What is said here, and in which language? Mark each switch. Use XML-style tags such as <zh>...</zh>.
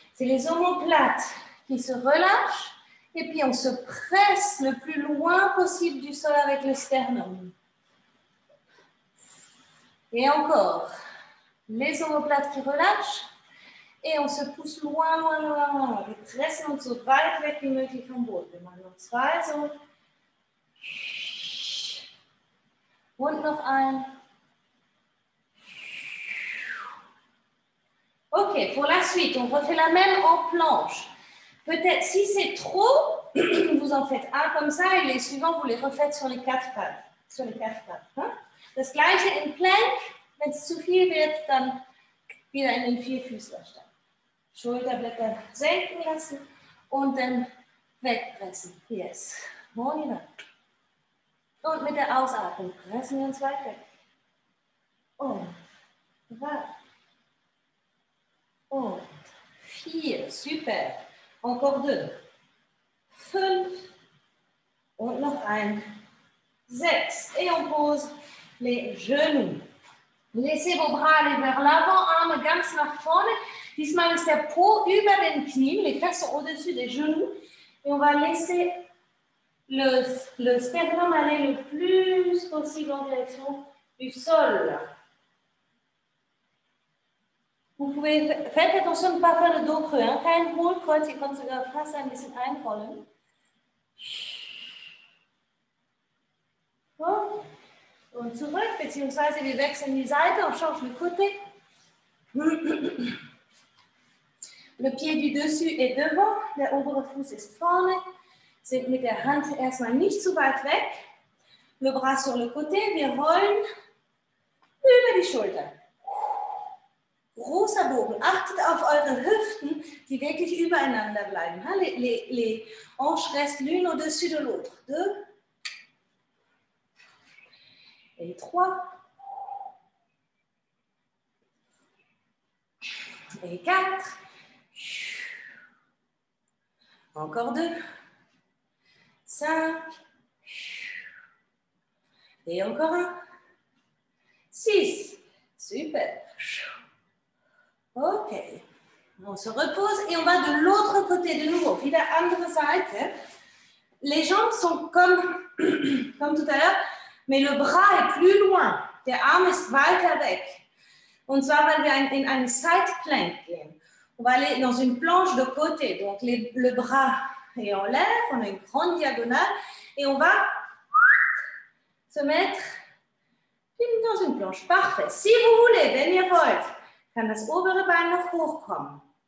<fr>C'est les omoplates qui se relâchent et puis on se presse le plus loin possible du sol avec le sternum. Et encore, les omoplates qui relâchent et on se pousse loin, loin, loin, loin.</fr> <de>Wir pressen uns so weit weg wie möglich vom Boden. Wir machen noch zwei so. Und noch ein.</de> <fr>Ok, pour la suite, on refait la même en planche. Peut-être, si c'est trop, vous en faites un comme ça et les suivants, vous les refaites sur les quatre pattes. Sur les quatre pattes. Hein?</fr> <de>Das gleiche in plank, wenn es zu viel wird, dann wieder in den Vierfüßlerstand. Schulterblätter senken lassen und dann wegpressen. Yes. Monina. Und mit der Ausatmung pressen wir uns weit weg. Und drei. Und vier, super.</de> <fr>Encore deux.</fr> <de>Fünf. Und noch ein. Sechs.</de> <fr>Et on pose les genoux. Laissez vos bras aller vers l'avant,</fr> <de>arme ganz nach vorne. Diesmal ist der Po über den Knien,</de> <fr>les fesses sont au-dessus des genoux. Et on va laisser le sternum aller le plus possible en direction du sol. Vous pouvez, faites attention de ne pas faire le dos creux.</fr> <de>Kein Hohlkreuz, ihr könnt sogar fast ein bisschen einrollen. Und zurück, beziehungsweise wir wechseln die Seite,</de> <fr>on change le côté. Le pied du dessus est devant,</fr> <de>der obere Fuß ist vorne. Sind mit der Hand erstmal nicht zu weit weg.</de> <fr>Le bras sur le côté,</fr> <de>wir rollen. über die Schulter. Großer Bogen. Achtet auf eure Hüften, die wirklich übereinander bleiben.</de> <fr>Les hanches restent l'une au-dessus de l'autre. Deux. Et trois. Et quatre. Encore deux. Cinq. Et encore un. Six. Super. Ok. On se repose et on va de l'autre côté de nouveau.</fr> <de>Wieder andere Seite.</de> <fr>Les jambes sont comme tout à l'heure, mais le bras est plus loin.</fr> <de>Der Arm ist weiter weg. Und zwar, weil wir in eine Side Plank gehen.</de> <fr>On va aller dans une planche de côté. Donc, le bras est en l'air. On a une grande diagonale. Et on va se mettre dans une planche. Parfait. Si vous voulez,</fr> <de>wenn ihr wollt, kann das obere Bein noch hochkommen.</de>